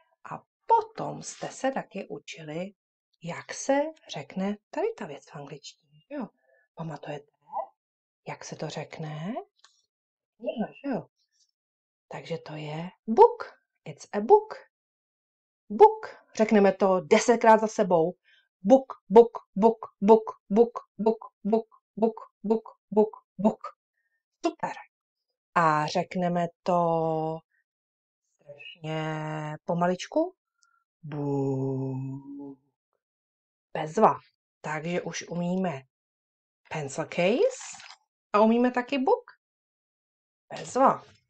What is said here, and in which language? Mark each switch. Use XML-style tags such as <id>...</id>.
<cs>A potom jste se taky učili, jak se řekne tady ta věc v angličtině. Jo. Pamatujete, jak se to řekne? Jo, jo. Takže to je book.</cs> <en>It's a book.</en> <cs>Book. Řekneme to 10krát za sebou.</cs> <en>Book, book, book, book, book, book, book, book, book, book, book.</en> <cs>Super. A řekneme to strašně pomaličku. Book. Bezva. Takže už umíme pencil case a umíme taky book. Bezva.</cs>